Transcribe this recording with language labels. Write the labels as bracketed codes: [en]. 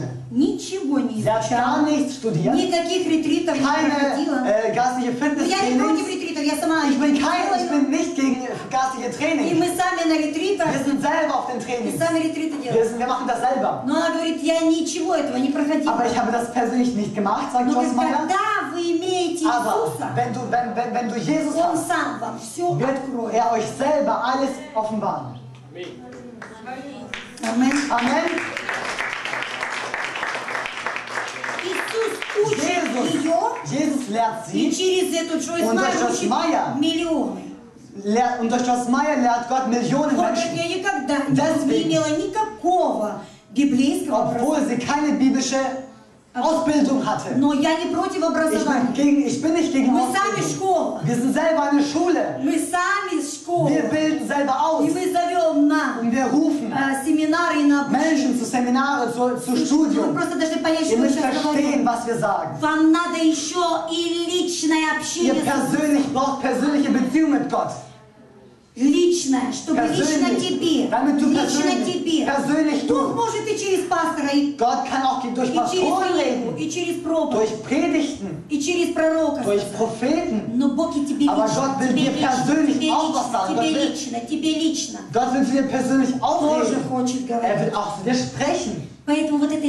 [ru] Ничего не изучала. Никаких ретритов [de] keine, [ru] не проходила. Я не против ретритов, я сама не проходила. И мы сами на ретритах. Мы сами ретриты делаем. Но она говорит, я ничего этого не проходила. [de] Aber ich habe das persönlich nicht gemacht, sagt Joyce Meyer. [ru] Когда вы имеете Иисуса, [de] wenn du Jesus [ru] он сам вам все откроет. [de] Er euch selber alles offenbaren. Amen. Amen. Jesus lehrt sie. [ru] И через эту Джойс Майер учит миллионы. [de] Und durch Joyce Meyer lehrt Gott Millionen Menschen. [ru] Я никогда не имела никакого библейского образования. [de] Obwohl sie keine biblische Ausbildung hatte. [ru] Но я не против образования. [de] Ich bin nicht gegen [ru] Ausbildung. Мы сами школа. [de] Wir sind selber eine Schule. [ru] Мы сами школа. [de] Wir bilden selber aus. [ru] И мы зовем на. [de] Und wir rufen. [ru] Семинары на обучение. [de] Menschen zu Seminare, zu Studium. [ru] Вы просто должны понять, что мы сейчас говорим. [de] Was wir sagen. [ru] Вам надо еще и личное общение. [de] Ihr persönlich braucht persönliche Beziehung mit Gott. [ru] Личное, чтобы лично тебе, лично тебе. [de] Persönlich [ru] Бог может и через пастора, [de] Gott kann auch durch Pastoren reden, [ru] и через проповедь, [de] durch Predigten, [ru] и через пророка, [de] durch Propheten. [ru] Но Бог и тебе [de] aber [ru] лично, [de] Gott will [ru] тебе [de] dir persönlich [ru] лично, [de] auch was sagen. [ru] Тебе лично, тебе лично. [de] Gott will dir persönlich auch [ru] тоже хочет говорить. [de] Er will auch zu dir sprechen. [ru] Поэтому вот это